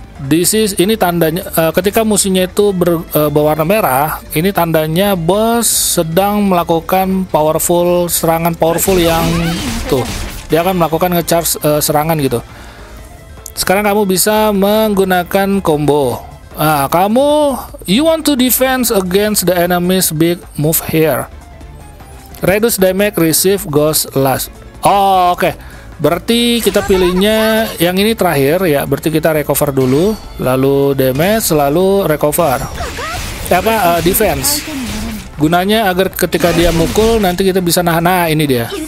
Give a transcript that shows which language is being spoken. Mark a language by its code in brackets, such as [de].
[id] This is ini tandanya ketika musuhnya itu berwarna merah, ini tandanya bos sedang melakukan powerful serangan powerful yang tuh. Dia akan melakukan ngecharge serangan gitu. Sekarang kamu bisa menggunakan combo. [en] Ah, kamu you want to defend against the enemy's big move here. Reduce damage received goes last. Oh, oke. Okay. [id] Berarti kita pilihnya yang ini terakhir ya. Berarti kita recover dulu, lalu damage, lalu recover. Apa? Defense. Gunanya agar ketika dia mukul nanti kita bisa nahan. Nah, ini dia.